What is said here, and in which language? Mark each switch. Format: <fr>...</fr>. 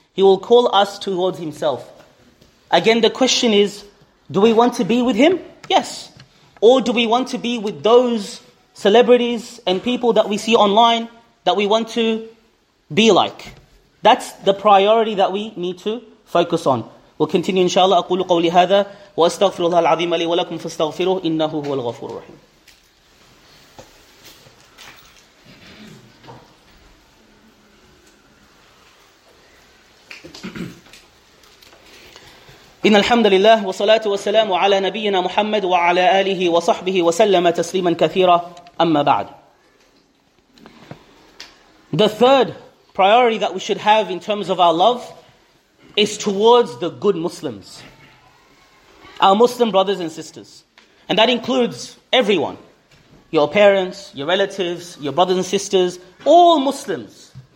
<en>He will call us towards himself. Again, the question is, do we want to be with him? Yes. Or do we want to be with those celebrities and people that we see online that we want to be like? That's the priority that we need to focus on. We'll continue inshallah.</en> <ar>أقول قولي هذا وأستغفر الله العظيم لي ولكم فاستغفروه إنه هو الغفور الرحيم. إن الحمد لله والصلاة والسلام على نبينا محمد وعلى آله وصحبه وسلم تسليما كثيرا أما بعد.</ar> <en>The third priority that we should have in terms of our love is towards the good Muslims, our Muslim brothers and sisters. And that includes everyone, your parents, your relatives, your brothers and sisters, all Muslims.</en>